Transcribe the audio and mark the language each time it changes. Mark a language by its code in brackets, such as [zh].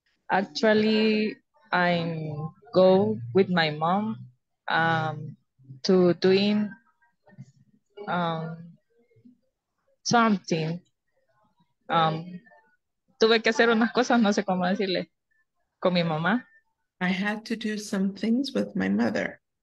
[en] Actually, I go with my mom to doing something. [es] Tuve que hacer unas cosas, no sé cómo decirle, con mi mamá. [en] I had to do some things with my mother.